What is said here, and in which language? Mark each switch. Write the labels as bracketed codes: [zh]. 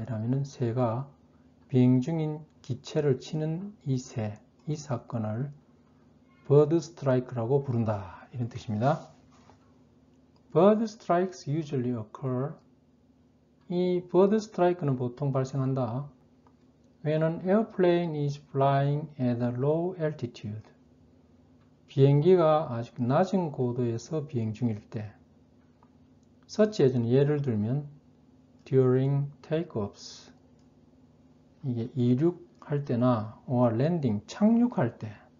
[ko] 이러면 새가 비행 중인 기체를 치는 이 새, 이 사건을 버드 스트라이크라고 부른다. 이런 뜻입니다. [en] Bird strikes usually occur. [ko] 이 버드 스트라이크는 보통 발생한다. [en] When an airplane is flying at a low altitude. [ko] 비행기가 아주 낮은 고도에서 비행 중일 때. [en] Such as [ko] 는 예를 들면 [en] During takeoffs, [ko] 이게 이륙할 때나 [en] or landing, [ko] 착륙할 때.